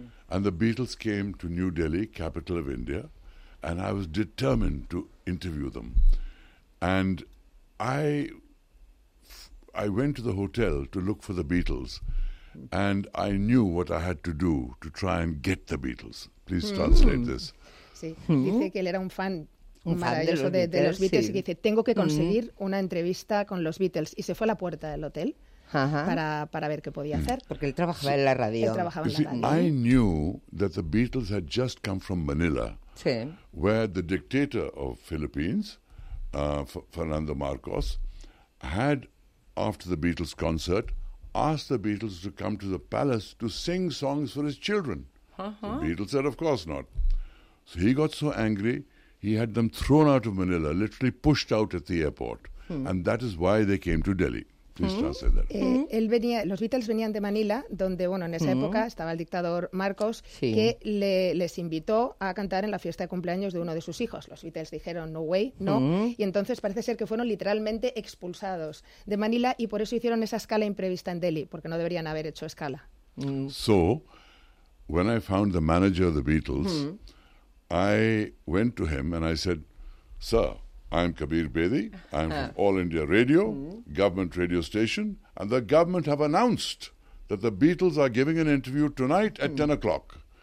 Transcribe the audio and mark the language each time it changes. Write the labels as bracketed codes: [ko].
[en] And the Beatles came to New Delhi, capital of India, and I was determined to interview them. And I went to the hotel to look for the Beatles, and I knew what I had to do to try and get the Beatles. Please translate this. [es] Sí. Dice que él era un fan. Un maravilloso fan de los Beatles, y dice, tengo que conseguir una entrevista con los Beatles. Y se fue a la puerta del hotel para ver qué podía hacer. Porque él trabajaba en la radio. Él trabajaba en la radio. [en] I knew that the Beatles had just come from Manila, where the dictator of Philippines, Fernando Marcos, had, after the Beatles concert, asked the Beatles to come to the palace to sing songs for his children. The Beatles said, of course not. So he got so angry, he had them thrown out of Manila, literally pushed out at the airport. Hmm. And that is why they came to Delhi. Please translate that. [es] Él venía, los Beatles venían de Manila, donde, bueno, en esa época estaba el dictador Marcos, que les invitó a cantar en la fiesta de cumpleaños de uno de sus hijos. Los Beatles dijeron, [en] no way, [es] no. Y entonces parece ser que fueron literalmente expulsados de Manila y por eso hicieron esa escala imprevista en Delhi, porque no deberían haber hecho escala. [en] So, when I found the manager of the Beatles, I went to him and I said, sir, I'm Kabir Bedi, I'm from All India Radio, government radio station, and the government have announced that the Beatles are giving an interview tonight at 10 o'clock.